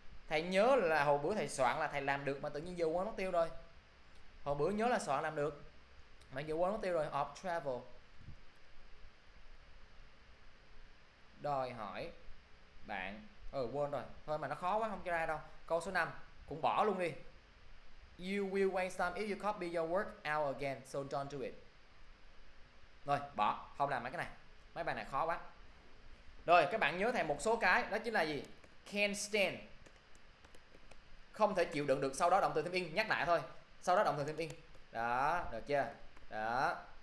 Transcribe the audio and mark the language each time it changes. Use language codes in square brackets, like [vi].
[vi] Thầy nhớ là hồi bữa thầy soạn là thầy làm được mà tự nhiên vô quên mất tiêu rồi. Hồi bữa nhớ là soạn làm được mà vô quên mất tiêu rồi. [en] Of travel. [vi] Đòi hỏi bạn. Quên rồi. Thôi mà nó khó quá không cho ra đâu. Câu số 5 cũng bỏ luôn đi. [en] You will waste time if you copy your work out again, so don't do it. [vi] Rồi, bỏ, không làm mấy cái này. Mấy bài này khó quá. Rồi, các bạn nhớ thêm một số cái, đó chính là gì? [en] Can't stand. [vi] Không thể chịu đựng được, sau đó động từ thêm in, nhắc lại thôi. Sau đó động từ thêm in. Đó, được chưa? Đó.